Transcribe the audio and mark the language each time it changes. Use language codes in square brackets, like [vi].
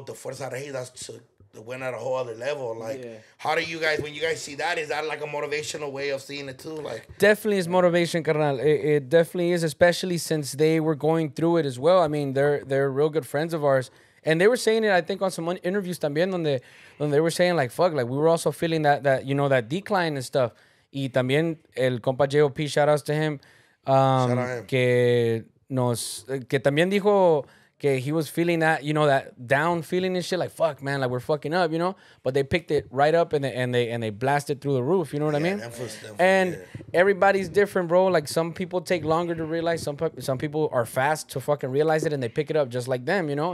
[en] The Fuerza Rey, went at a whole other level. Like, how do you guys, when you guys see that, is that like a motivational way of seeing it too? Like, definitely is motivation, carnal. It definitely is, especially since they were going through it as well. I mean, they're real good friends of ours. And they were saying it, I think, on some interviews [es] también, donde [en] they were saying, like, fuck, like, we were also feeling that you know, that decline and stuff. [es] Y también el compa J.O.P., [en] shout outs to him. [es] Que también dijo... [en] Okay, he was feeling that, you know, that down feeling and shit, like, fuck, man, like, we're fucking up, you know? But they picked it right up and they blasted through the roof, you know what I mean? Everybody's different, bro. Like, some people take longer to realize, some people are fast to fucking realize it and they pick it up just like them, you know?